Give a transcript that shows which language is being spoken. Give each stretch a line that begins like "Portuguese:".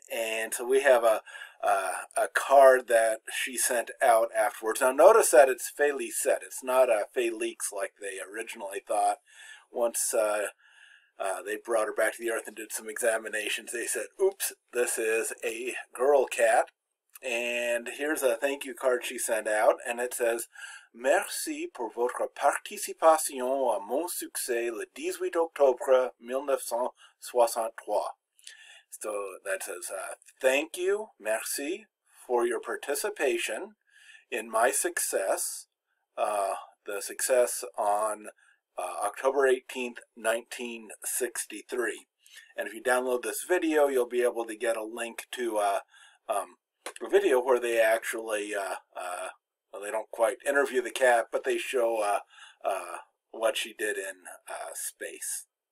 English: And so we have a card that she sent out afterwards. Now notice that it's Félicette. It's not a Félix like they originally thought. Once they brought her back to the earth and did some examinations, they said, oops, this is a girl cat. And here's a thank you card she sent out, and it says,
French: merci pour votre participation à mon succès le 18 octobre 1963.
English: So that says, thank you, merci, for your participation in my success, the success on October 18th, 1963. And if you download this video, you'll be able to get a link to a video where they actually, well, they don't quite interview the cat, but they show what she did in space.